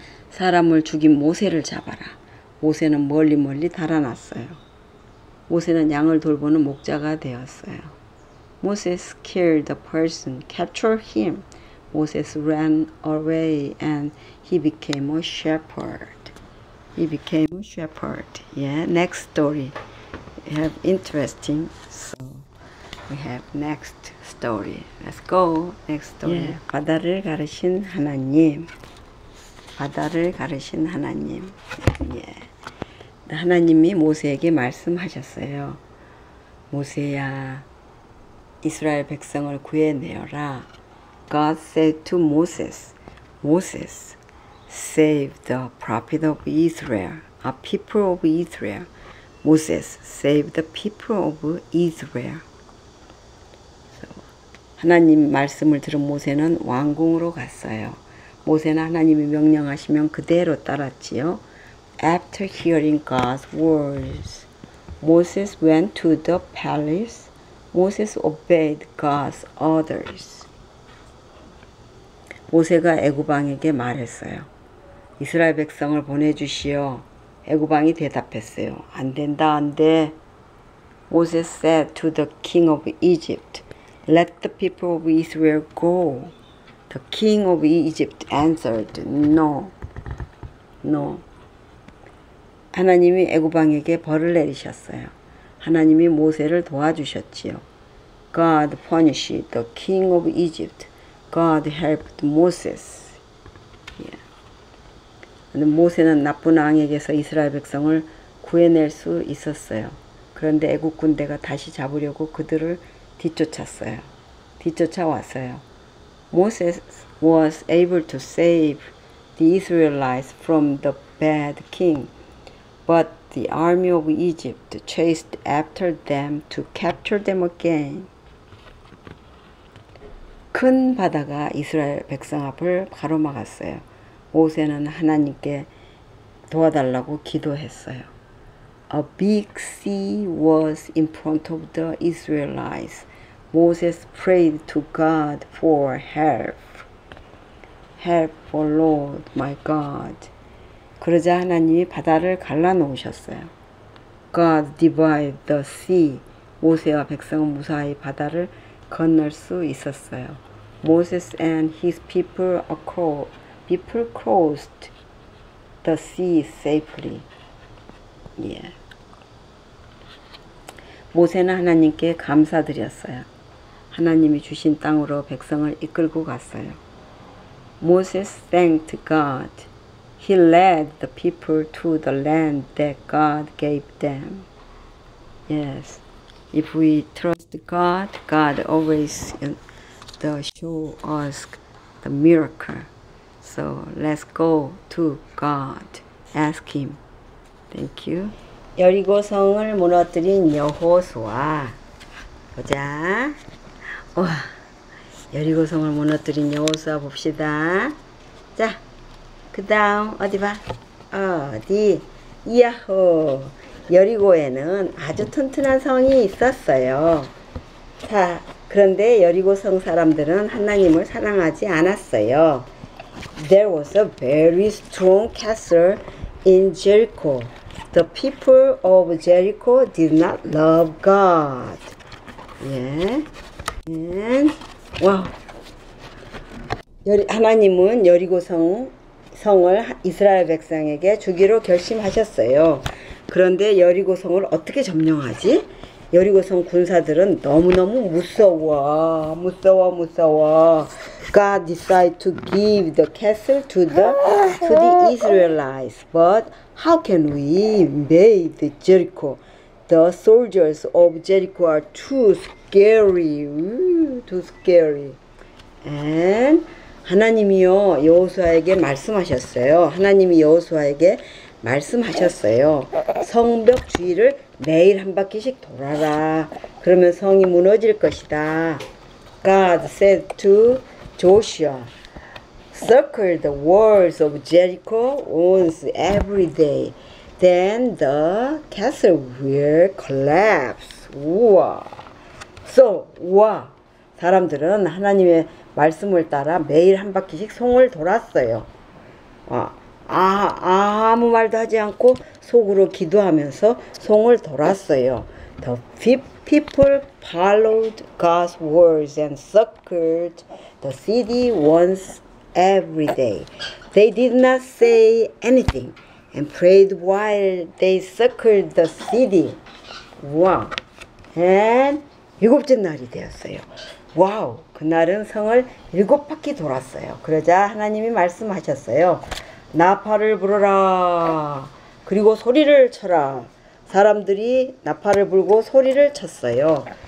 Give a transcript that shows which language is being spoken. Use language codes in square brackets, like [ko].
[ko] 사람을 죽인 모세를 잡아라. 모세는 멀리 멀리 달아났어요. 모세는 양을 돌보는 목자가 되었어요. [en] Moses killed the person, captured him. Moses ran away and he became a shepherd. He became a shepherd. Yeah, next story. We have interesting. So we have next story. Let's go. Next story. Yeah. [ko] 바다를 가르신 하나님. 바다를 가르신 하나님. Yeah. 하나님이 모세에게 말씀하셨어요. 모세야. 이스라엘 백성을 구해내어라. [en] God said to Moses, Moses, save the prophet of Israel, a people of Israel. Moses, save the people of Israel. [ko] So, 하나님 말씀을 들은 모세는 왕궁으로 갔어요. 모세는 하나님이 명령하시면 그대로 따랐지요. [en] After hearing God's words, Moses went to the palace. Moses obeyed God's orders. [ko] 모세가 애굽 왕에게 말했어요. 이스라엘 백성을 보내주시오. 애굽 왕이 대답했어요. 안 된다, 안 돼. [en] Moses said to the king of Egypt, Let the people of Israel go. The king of Egypt answered, No. No. [ko] 하나님이 애굽 왕에게 벌을 내리셨어요. 하나님이 모세를 도와주셨지요. [en] God punished the king of Egypt. God helped Moses. Yeah. [ko] 근데 모세는 나쁜 왕에게서 이스라엘 백성을 구해낼 수 있었어요. 그런데 애굽 군대가 다시 잡으려고 그들을 뒤쫓았어요. 뒤쫓아왔어요. [en] Moses was able to save the Israelites from the bad king. But the army of Egypt chased after them to capture them again. [ko] 큰 바다가 이스라엘 백성 앞을 가로막았어요. 모세는 하나님께 도와달라고 기도했어요. [en] A big sea was in front of the Israelites. Moses prayed to God for help. Help, O Lord, my God. [ko] 그러자 하나님이 바다를 갈라놓으셨어요. [en] God divided the sea. [ko] 모세와 백성은 무사히 바다를 건널 수 있었어요. [en] Moses and his people crossed the sea safely. Yeah. [ko] 모세는 하나님께 감사드렸어요. 하나님이 주신 땅으로 백성을 이끌고 갔어요. [en] Moses thanked God. He led the people to the land that God gave them. Yes. If we trust God, God always show us the miracle. So let's go to God. Ask Him. Thank you. [ko] 여리고 성을 무너뜨린 여호수아. 보자. 와, 여리고 성을 무너뜨린 여호수아 봅시다. 자, 그 다음 어디 봐. 어디. 이야호. 여리고에는 아주 튼튼한 성이 있었어요. 자, 그런데 여리고성 사람들은 하나님을 사랑하지 않았어요. [en] There was a very strong castle in Jericho. The people of Jericho did not love God. Yeah. And, wow. [ko] 하나님은 여리고성 성을 이스라엘 백성에게 주기로 결심하셨어요. 그런데 여리고성을 어떻게 점령하지? 여리고성 군사들은 너무너무 무서워. 무서워, 무서워. [en] God decided to give the castle to the Israelites. But how can we invade Jericho? The soldiers of Jericho are too scary. Too scary. [ko] And 하나님이요, 여호수아에게 말씀하셨어요. 하나님이 여호수아에게 말씀하셨어요. 성벽 주위를 매일 한 바퀴씩 돌아라. 그러면 성이 무너질 것이다. [en] God said to Joshua, circle the walls of Jericho once every day. Then the castle will collapse. 우와. So, 우와. [ko] 사람들은 하나님의 말씀을 따라 매일 한 바퀴씩 성을 돌았어요. 아무 말도 하지 않고 속으로 기도하면서 성을 돌았어요. [en] The people followed God's words and circled the city once every day. They did not say anything and prayed while they circled the city. [ko] Wow. And 일곱째 날이 되었어요. 와우. 그날은 성을 일곱 바퀴 돌았어요. 그러자 하나님이 말씀하셨어요. 나팔을 불어라. 그리고 소리를 쳐라. 사람들이 나팔을 불고 소리를 쳤어요.